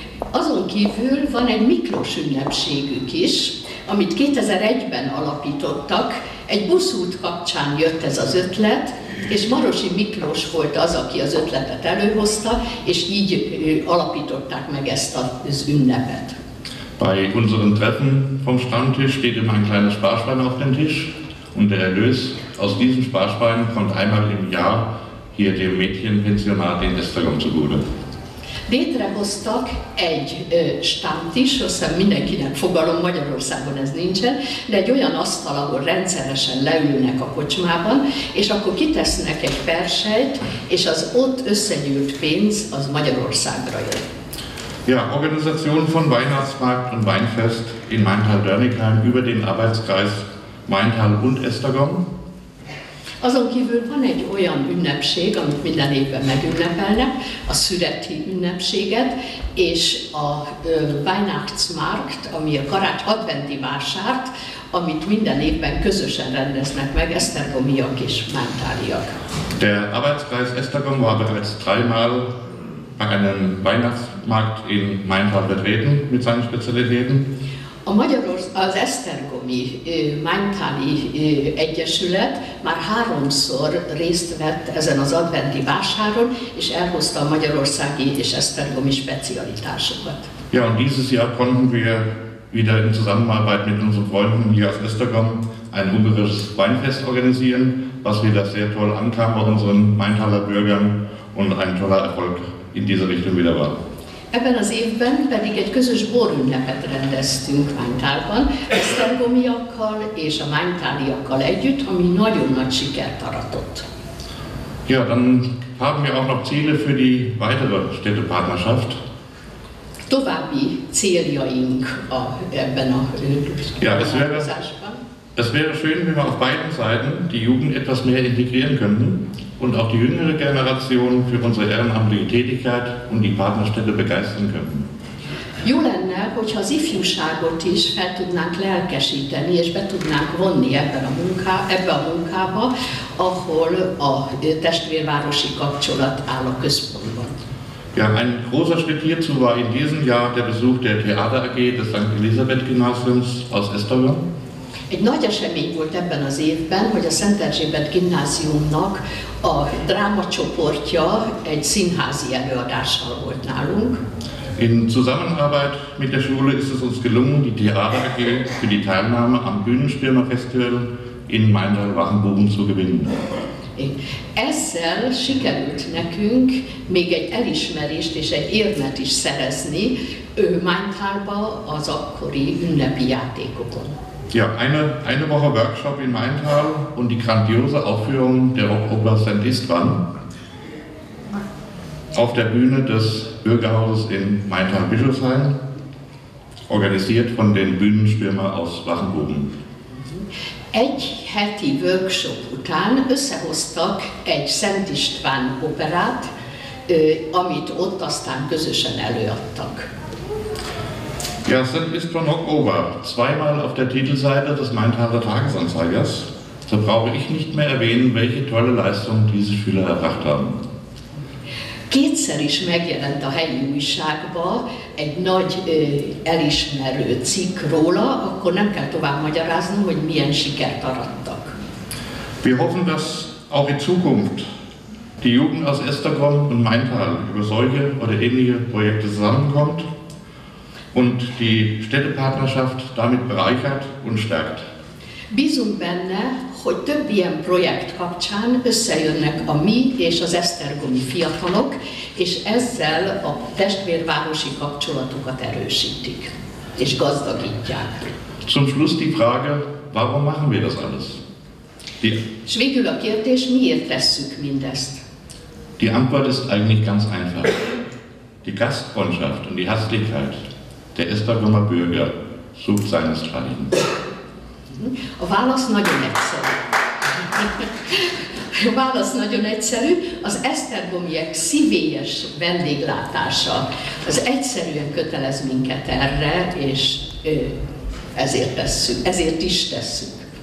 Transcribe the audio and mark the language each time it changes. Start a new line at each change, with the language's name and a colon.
Hungarian: Azon kívül van egy Miklós ünnepségük is, amit 2001-ben alapítottak. Egy buszút kapcsán jött ez az ötlet, és Marosi Miklós volt az, aki az ötletet előhozta, és így alapították meg ezt az ünnepet.
German: Bei unseren Treffen vom Stammtisch steht immer ein kleines Sparschwein auf dem Tisch, und der Erlös aus diesem Sparschwein kommt einmal im Jahr hier dem Mädchenpensionat in Esztergom zugute.
Hungarian: Létrehoztak egy stammtisch, aztán mindenkinek fogalom, Magyarországon ez nincsen, de egy olyan asztal, ahol rendszeresen leülnek a kocsmában, és akkor kitesznek egy perselyt, és az ott összegyűlt pénz az Magyarországra jön.
German: Ja, Organisation von Weihnachtsmarkt und Weinfest in Maintal-Dörnigheim über den Arbeitskreis Maintal und Esztergom.
Hungarian: Azon kívül van egy olyan ünnepség, amit minden évben megünnepelnek, a szüreti ünnepséget, és a Weihnachtsmarkt, ami a karácsony adventi vásárt, amit minden évben közösen rendeznek meg esztergomiak és mántáliak.
German: Der Arbeitskreis Esztergom war bereits dreimal bei einem Weihnachtsmarkt in Maintal vertreten mit seinen Spezialitäten.
Hungarian: Az esztergomi maintali egyesület már háromszor részt vett ezen az adventi vásáron, és elhozta a magyarországi és esztergomi specialitásokat.
German: Ja, und dieses Jahr konnten wir wieder in Zusammenarbeit mit unseren Freunden hier auf Esztergom ein ungarisches Weinfest organisieren, was wieder sehr toll ankam bei unseren Maintaler Bürgern und ein toller Erfolg in dieser Richtung wieder war.
Hungarian: Ebben az évben pedig egy közös borünnepet rendeztünk Maintalban, esztergomiakkal és a maintaliakkal együtt, ami nagyon nagy sikert aratott.
German: Ja, dann haben wir auch noch Ziele für die weitere Städtepartnerschaft.
Hungarian: További céljaink ebben a partnerszásban.
German: Es wäre schön, wenn wir auf beiden Seiten die Jugend etwas mehr integrieren könnten und auch die jüngere Generation für unsere ehrenamtliche Tätigkeit und die Partnerstädte begeistern könnten.
Hungarian: Jó lenne, hogyha az ifjúságot is fel tudnánk lelkesíteni és be tudnánk vonni ebbe a munkába, ahol a testvérvárosi kapcsolat áll a központban.
German: Ja, ein großer Schritt hierzu war in diesem Jahr der Besuch der Theater AG des St. Elisabeth Gymnasiums aus Esztergom.
Hungarian: Egy nagy esemény volt ebben az évben, hogy a Szent Erzsébet gimnáziumnak a drámacsoportja egy színházi előadással volt nálunk.
German: In Zusammenarbeit mit der Schule ist es uns gelungen, die Theater AG für die Teilnahme am Bühnenstürmer Festival in Maintal-Wachenbogen zu gewinnen.
Hungarian: Ezzel sikerült nekünk még egy elismerést és egy érmet is szerezni Maintalba az akkori ünnepi játékokon.
German: Ja, eine Woche Workshop in Maintal und die grandiose Aufführung der Rockoper St. István auf der Bühne des Bürgerhauses in Maintal-Bischofsheim, organisiert von den Bühnenstürmer aus Wachenbogen.
Hungarian: Egy heti Workshop után összehoztak egy Szent István operát, amit ott aztán közösen előadtak.
German: Ja, St. István Rockoper, zweimal auf der Titelseite des Maintaler Tagesanzeigers. Da brauche ich nicht mehr erwähnen, welche tolle Leistung diese Schüler erbracht haben.
Hungarian: Kétszer is megjelent a helyi újságba egy nagy elismerő cikk róla, akkor nem kell tovább magyaráznom, hogy milyen sikert arattak.
German: Wir hoffen, dass auch in Zukunft die Jugend aus Esztergom und Maintal über solche oder ähnliche Projekte zusammenkommt und die Städtepartnerschaft damit bereichert und stärkt.
Hungarian: Bízunk benne, hogy több ilyen projekt kapcsán összejönnek a mi és az esztergomi fiatalok, és ezzel a testvérvárosi kapcsolatukat erősítik és gazdagítják.
German: Zum Schluss die Frage, warum machen wir das alles?
Hungarian: S végül a kérdés, miért tesszük mindezt?
German: Die Antwort ist eigentlich ganz einfach. Die Gastfreundschaft und die Herzlichkeit der Esztergomer Bürger sucht seinesgleichen.
Hungarian: A válasz nagyon egyszerű. A válasz nagyon egyszerű. Az esztergomiek szívélyes vendéglátása, az egyszerűen kötelez minket erre, és ezért tesszük, ezért is tesszük.